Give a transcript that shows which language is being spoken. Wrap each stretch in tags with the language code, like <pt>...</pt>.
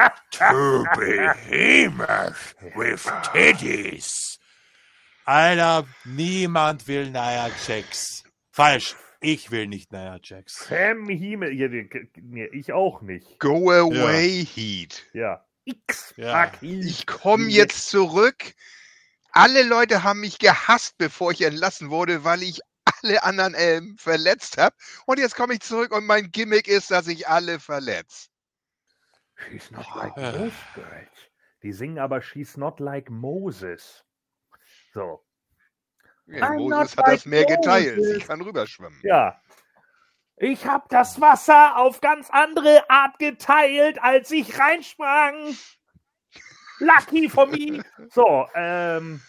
<en>Two behemoths with titties.</en> <de>Alter, niemand will Nia Jax. Falsch, ich will nicht Nia Jax. Sam Himmel, ich auch nicht.</de> <en>Go away, ja. Heat.</en> <de>Ja. X-Pack Heat. Ich komme jetzt zurück. Alle Leute haben mich gehasst, bevor ich entlassen wurde, weil ich alle anderen verletzt habe. Und jetzt komme ich zurück und mein Gimmick ist, dass ich alle verletze.</de> <en>She's not like most girls.</en> <de>Die singen aber</de> <en>She's not like Moses.</en> <de>So. Ja, Moses hat like das Meer geteilt. Sie kann rüberschwimmen. Ja. Ich habe das Wasser auf ganz andere Art geteilt, als ich reinsprang.</de> <en>Lucky for me. So, ja.</en>